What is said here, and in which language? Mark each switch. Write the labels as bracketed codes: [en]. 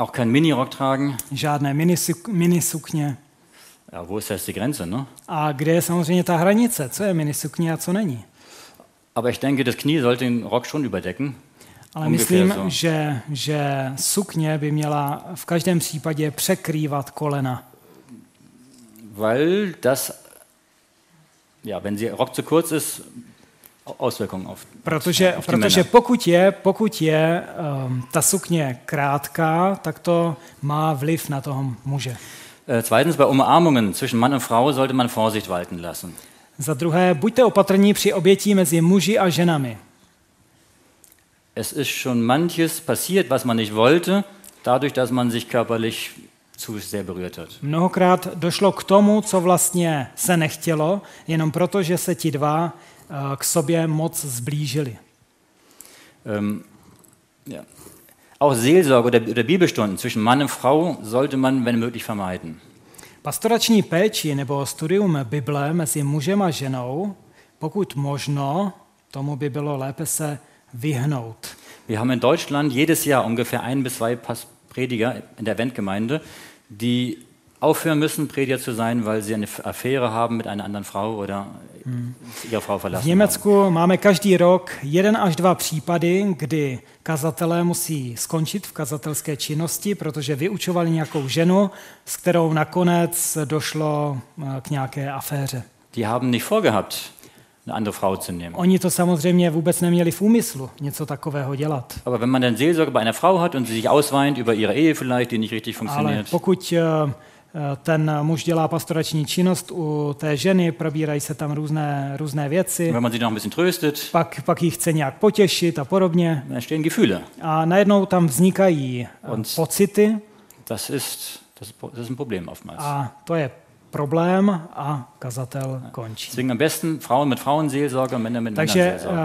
[de] Auch kein Minirock tragen. [cs] Žádné minisukně. [de] Ja, wo ist jetzt die Grenze, ne? [cs] A kde je samozřejmě ta hranice? Co je minisukně a co není? [de] Aber ich denke, das Knie sollte den Rock schon überdecken. [cs] Ale myslím, že sukně by měla v každém případě překrývat kolena. [de] Weil das ja, wenn sie Rock zu kurz ist, Auswirkungen auf. [cs] Protože pokud je ta sukně krátká, tak to má vliv na toho muže. [de] Zweitens bei Umarmungen zwischen Mann und Frau sollte man Vorsicht walten lassen. [cs] Za druhé, buďte opatrní při objetí mezi muži a ženami. [de] Es ist schon manches passiert, was man nicht wollte, dadurch, dass man sich körperlich zu sehr berührt hat. [cs] Mnohokrát došlo k tomu, co vlastně se nechtělo, jenom proto, že se ti dva k sobě moc zblížili. [de] Ja. Auch Seelsorge oder Bibelstunden zwischen Mann und Frau sollte man, wenn möglich, vermeiden. [cs] Pastorační péči nebo studium Bible mezi mužem a ženou, pokud možno, tomu by bylo lépe se vyhnout. [de] Wir haben in Deutschland jedes Jahr ungefähr 1 bis 2 Prediger in der Eventgemeinde, die aufhören müssen, Prediger zu sein, weil sie eine Affäre haben mit einer anderen Frau oder ihre Frau verlassen haben. [cs] V Německu máme každý rok 1 až 2 případy, kdy kazatelé musí skončit v kazatelské činnosti, protože vyučovali nějakou ženu, s kterou nakonec došlo k nějaké aféře. [de] Die haben nicht vorgehabt, eine andere Frau zu nehmen. [cs] Oni to samozřejmě vůbec neměli v úmyslu něco takového dělat. [de] Aber wenn man dann Seelsorge bei einer Frau hat und sie sich ausweint über ihre Ehe vielleicht, die nicht richtig funktioniert. [cs] Ale pokud ten muž dělá pastorační činnost u té ženy, probírají se tam různé věci. [de] Wenn man sie noch ein bisschen tröstet. [cs] Pak jí chce nějak potěšit a podobně. [de] Dann entstehen Gefühle. [cs] A najednou tam vznikají pocity. [de] Das ist ein Problem oftmals. [cs] A to je problém a kazatel končí. [de] Deswegen am besten Frauen mit Frauenseelsorge, Männer mit Männerseelsorge.